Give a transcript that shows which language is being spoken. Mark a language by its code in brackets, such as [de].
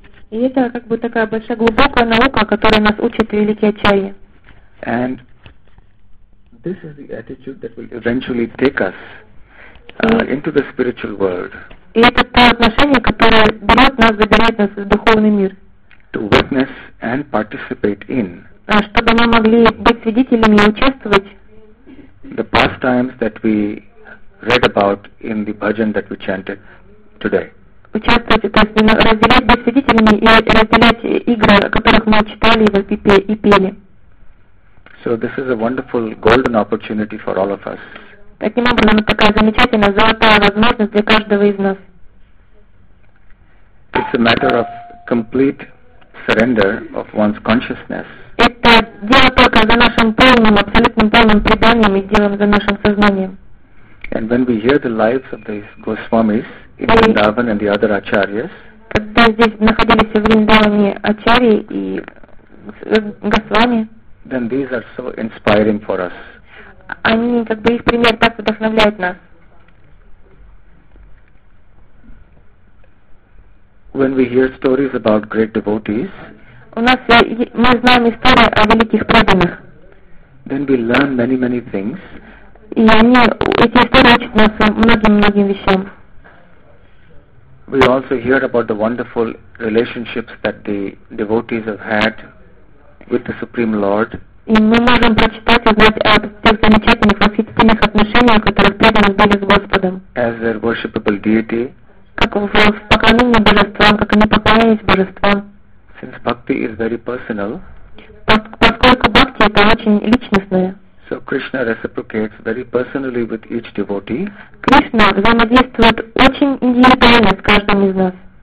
[ru] И это как бы такая большая глубокая наука, которая нас учит великие ачарьи. [en] And this is the attitude that will eventually take us into the spiritual world. [ru] И это то отношение, которое берет нас, забирает нас в духовный мир. [en] To witness and participate in. [ru] Чтобы мы могли быть свидетелями и участвовать. [en] The pastimes that we read about in the bhajan that we chanted today. [ru] Участвовать, то есть разделять, быть свидетелями и разделять игры, о которых мы читали и пели. [en] So this is a wonderful golden opportunity for all of us. [ru] Таким образом, такая замечательная золотая возможность для каждого из нас. [en] It's a matter of complete surrender of one's consciousness. [ru] Это дело только за нашим полным, абсолютным полным преданием и делом за нашим сознанием. [en] And when we hear the lives of these Goswamis in Vrindavan and the other Acharyas, [ru] когда здесь находились в Вриндаване Ачарьи и Госвами, [en] then these are so inspiring for us. [ru] Они, как бы, их пример так вдохновляет нас. [en] When we hear stories about great devotees, [ru] у нас, мы знаем истории о великих преданных. [en] Then we learn many, many things. [ru] И они, эти истории учат нас многим-многим вещам. [en] We also hear about the wonderful relationships that the devotees have had with the Supreme Lord. [ru] И мы можем прочитать и знать о тех замечательных восхитительных отношениях, которые преданы были с Господом. [en] As their worshipable deity. [ru] Как в поклонении божествам, как они поклонялись божествам. [en] Since bhakti is very personal. [ru] Поскольку бхакти это очень личностное. [en] So Krishna reciprocates very personally with each devotee. [ru] Кришна взаимодействует очень индивидуально с каждым из нас.